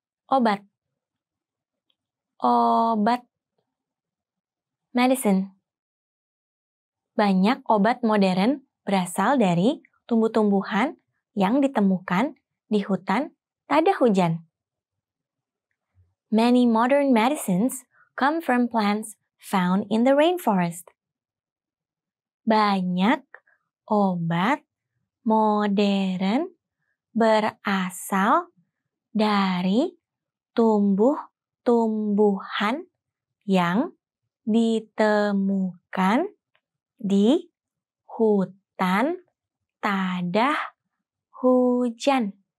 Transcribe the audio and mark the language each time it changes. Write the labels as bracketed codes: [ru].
[id] Obat. Obat. [en] Medicine. [id] Banyak obat modern berasal dari tumbuh-tumbuhan yang ditemukan di hutan tada hujan. [en] Many modern medicines come from plants found in the rainforest. [id] Banyak obat modern berasal dari tumbuh-tumbuhan yang ditemukan di hutan tadah hujan.